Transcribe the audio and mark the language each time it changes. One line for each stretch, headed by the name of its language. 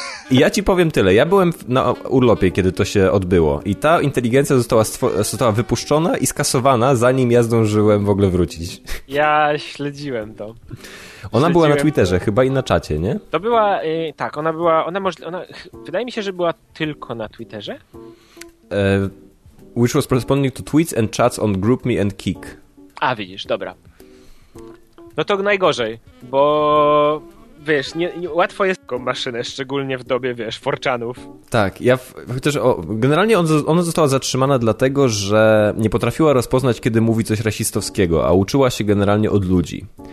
Polish: I ja ci powiem tyle, ja byłem na urlopie, kiedy to się odbyło i ta inteligencja została wypuszczona i skasowana, zanim ja zdążyłem w ogóle wrócić. Ja śledziłem to. Ona była na Twitterze, chyba i na czacie, nie? To była, tak, ona była, ona wydaje mi się, że była tylko na Twitterze.
English: Which was responding to tweets and chats on GroupMe and Kick.
Polish: A, widzisz, dobra. No to najgorzej, bo... Wiesz, nie łatwo jest taką maszynę, szczególnie w dobie, wiesz, 4chanów. Tak, generalnie ona została zatrzymana dlatego, że nie potrafiła rozpoznać, kiedy mówi coś rasistowskiego, a uczyła się generalnie od ludzi.